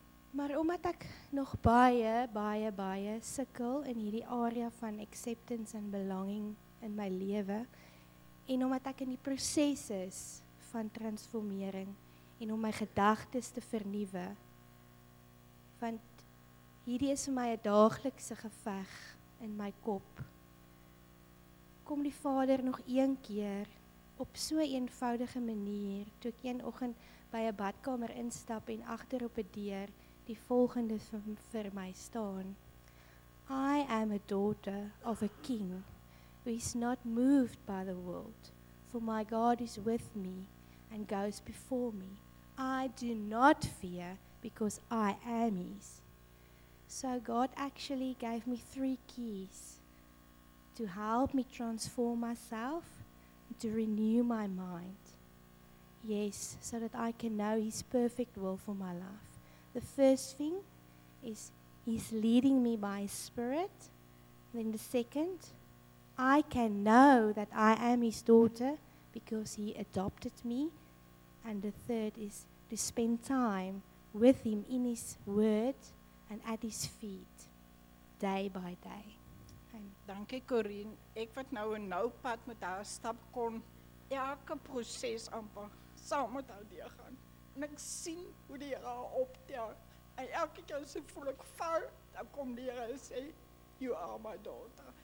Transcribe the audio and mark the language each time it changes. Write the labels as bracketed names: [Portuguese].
[Afrikaans] Maar omdat ek nog baie sukkel in hierdie area van [English] acceptance and belonging [Afrikaans] in my lewe, en omdat ek in die proses is van transformering en om my gedagtes te vernuwe, want hierdie is vir my 'n daaglikse geveg in my kop, kom die Vader nog een keer op so 'n eenvoudige manier, toe ek een oggend by 'n badkamer instap en agter op 'n deur die volgende vir my staan. [English] "I am a daughter of a king who is not moved by the world, for my God is with me and goes before me. I do not fear because I am His." So God actually gave me 3 keys to help me transform myself, to renew my mind. Yes, so that I can know His perfect will for my life. The first thing is He's leading me by His Spirit. Then the second, I can know that I am His daughter because He adopted me. And the third is to spend time with Him in His Word and at His feet, day by day. [Afrikaans] Dankie Corien, ek wat nou een nou pad met haar stap kon, elke proces aanpak, saam met haar deurgaan. En ek sien hoe die Here optel, en elke keer so voel ek val, dan kom die Here en sê, [English] "You are my daughter."